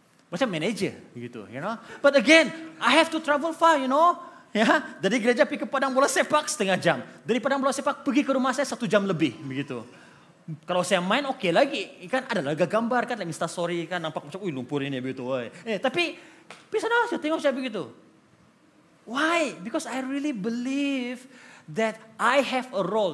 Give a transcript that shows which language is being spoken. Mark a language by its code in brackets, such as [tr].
[ms] Macam manager begitu, [en] you know. But again, I have to travel far, you know. [ms] Ya, dari gereja pergi ke padang bola sepak setengah jam. Dari padang bola sepak pergi ke rumah saya satu jam lebih begitu. Kalau saya main okay lagi, kan ada lagi gambar kan, like Insta story kan nampak macam, wih lumpur ini begitu. Tapi bisa dah saya tengok saya begitu. [en] Why? Because I really believe that I have a role.